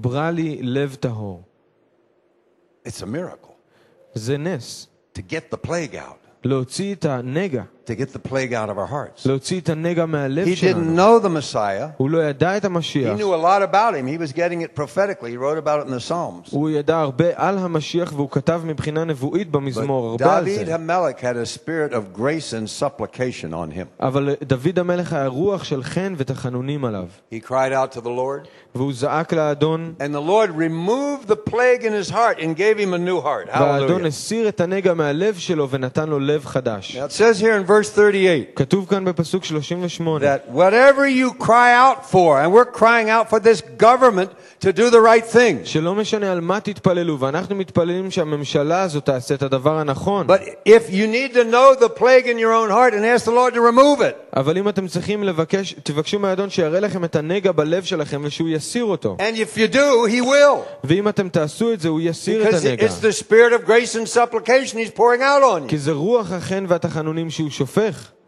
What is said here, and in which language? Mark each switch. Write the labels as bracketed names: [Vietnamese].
[Hebrew] ברא לי לב טהור. [English] It's a miracle. [Hebrew] זה נס. [English] To get the plague out. [Hebrew] להוציא את הנגע. [English] To get the plague out of our hearts. [Hebrew] להוציא את הנגע מהלב שלנו. [English] He didn't know the Messiah. [Hebrew] הוא לא ידע את המשיח. [English] He knew a lot about him. He was getting it prophetically. He wrote about it in the Psalms. [Hebrew] הוא ידע הרבה על המשיח והוא כתב מבחינה נבואית במזמור הרבה על זה. [English] David HaMelech had a spirit of grace and supplication on him. [Hebrew] אבל דוד המלך היה רוח של חן ותחנונים עליו. [English] He cried out to the Lord. [Hebrew] והוא זעק לאדון. [English] And the Lord removed the plague in his heart and gave him a new heart. Hallelujah. [Hebrew] והאדון הסיר את הנגע מהלב שלו ונתן לו לב חדש. [English] Now it says here in verse 38. [Hebrew] כתוב כאן בפסוק 38. [English] That whatever you cry out for, and we're crying out for this government to do the right thing. [Hebrew] שלא משנה על מה תתפללו, ואנחנו מתפללים שהממשלה הזאת תעשה את הדבר הנכון. [English] But if you need to know the plague in your own heart and ask the Lord to remove it. [Hebrew] אבל אם אתם צריכים לבקש, תבקשו מהאדון שיראה לכם את הנגע בלב שלכם ושהוא יסיר אותו. [English] And if you do, he will. [Hebrew] ואם אתם תעשו את זה, הוא יסיר את הנגע. [English] Because it's the spirit of grace and supplication he's pouring out on you. [Hebrew] כי זה רוח החן והתחנונים שהוא שופך.